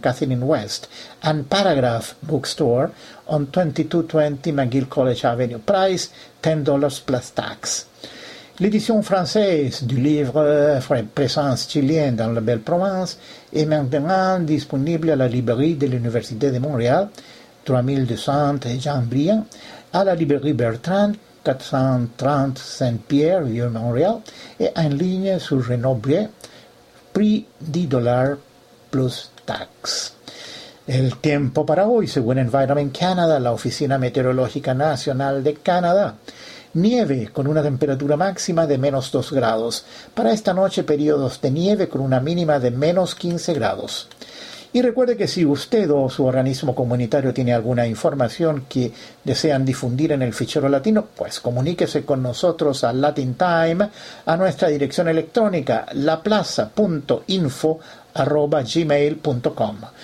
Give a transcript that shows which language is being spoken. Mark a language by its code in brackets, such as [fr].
[en] Catherine West, and Paragraph Bookstore on 2220 McGill College Avenue. Price, $10 plus tax. [fr] L'édition française du livre Présence chilienne dans la Belle Provence est maintenant disponible à la librairie de l'Université de Montréal, 3200 Jean-Brien, à la librairie Bertrand, 430 Saint-Pierre, Vieux Montréal, et en ligne sur Renaud Brier, prix $10 plus tax. [es] El tiempo para hoy, según Environment Canada, la Oficina Meteorológica Nacional de Canadá. Nieve con una temperatura máxima de menos 2 grados. Para esta noche, periodos de nieve con una mínima de menos 15 grados. Y recuerde que si usted o su organismo comunitario tiene alguna información que desean difundir en el fichero latino, pues comuníquese con nosotros a Latin Time a nuestra dirección electrónica laplaza.info@gmail.com.